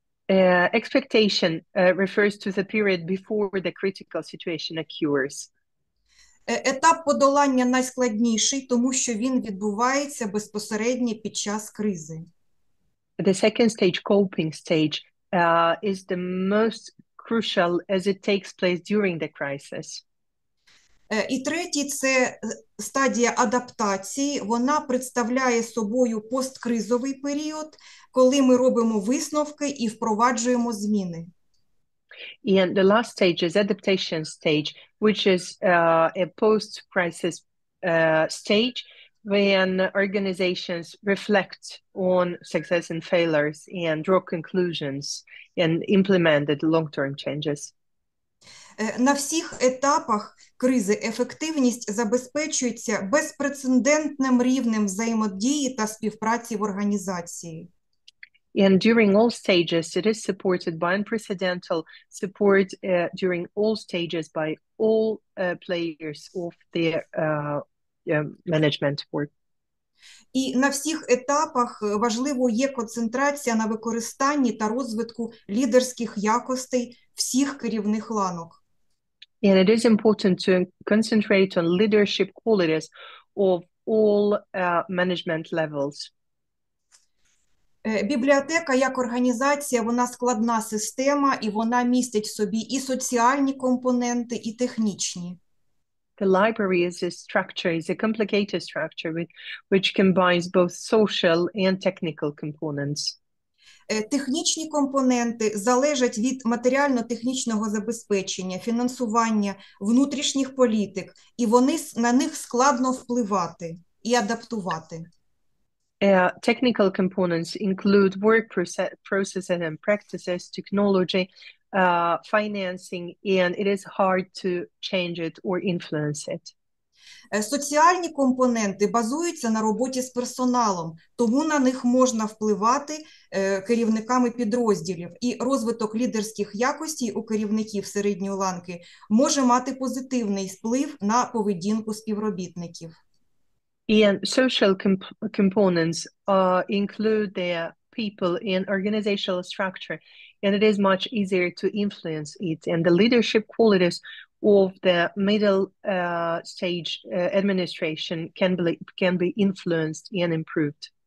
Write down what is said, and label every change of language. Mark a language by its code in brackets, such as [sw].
[en] Expectation refers to the period before the critical situation occurs. [uk] Етап подолання найскладніший, тому що він відбувається безпосередньо під час кризи. [en] The second stage, coping stage, is the most crucial as it takes place during the crisis. [uk] І третій – це стадія адаптації. Вона представляє собою посткризовий період, коли ми робимо висновки і впроваджуємо зміни. [en] And the last stage is adaptation stage, which is a post-crisis stage when organizations reflect on success and failures and draw conclusions and implement the long-term changes. [uk] На всіх етапах кризи ефективність забезпечується безпрецедентним рівнем взаємодії та співпраці в організації. [en] And during all stages, it is supported by unprecedented support during all stages by all players of their management work. [uk] І на всіх етапах важливо є концентрація на використанні та розвитку лідерських якостей всіх керівних ланок. [en] And it is important to concentrate on leadership qualities of all management levels. [uk] Бібліотека як організація, вона складна система, і вона містить в собі і соціальні компоненти, і технічні. [en] The library is a structure, is a complicated structure which combines both social and technical components. [uk] Технічні компоненти залежать від матеріально-технічного забезпечення, фінансування, внутрішніх політик, і вони на них складно впливати і адаптувати. [en] Technical components include work processes and practices, technology, financing, and it is hard to change it or influence it. [uk] Соціальні компоненти базуються на роботі з персоналом, тому на них можна впливати керівниками підрозділів. І розвиток лідерських якостей у керівників середньої ланки може мати позитивний вплив на поведінку співробітників. [en] And social components include the people and organizational structure, and it is much easier to influence it. And the leadership qualities of the middle stage administration can be influenced and improved.